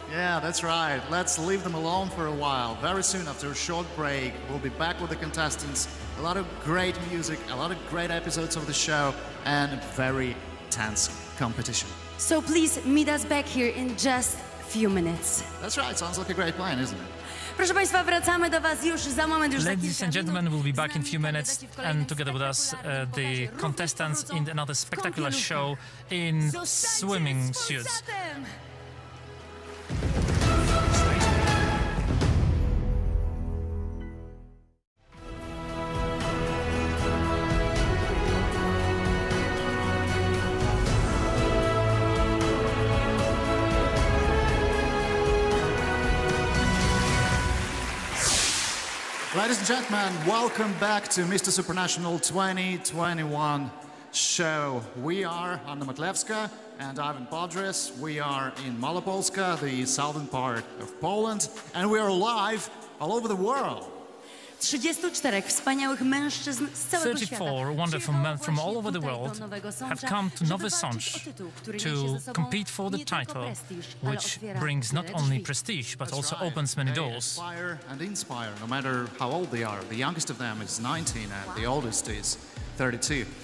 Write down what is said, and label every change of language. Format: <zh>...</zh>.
<en>Yeah, that's right. Let's leave them alone for a while. Very soon, after a short break, we'll be back with the contestants. A lot of great music, a lot of great episodes of the show, and a very tense competition. So please meet us back here in just a few minutes. That's right, sounds like a great plan, isn't it?</en> <pl>Proszę Państwa, wracamy do Was już za moment, już</pl> <en>Ladies</en> <pl>za kilka</pl> <en>and gentlemen, we'll be back in a few minutes and together with us the contestants in another spectacular show in swimming suits. Ladies and gentlemen, welcome back to Mr. Supranational 2021 show. We are Anna Matlewska and Ivan Podrys. We are in Malopolska, the southern part of Poland, and we are live all over the world.</en> <pl>34 wspaniałych mężczyzn z całego świata.</pl> <en>34 wonderful men from all over the world have come to Nowy Sącz to compete for the title, which brings not only prestige but also opens many doors. They inspire and inspire, no matter how old they are. The youngest of them is 19 and the oldest is 32.</en>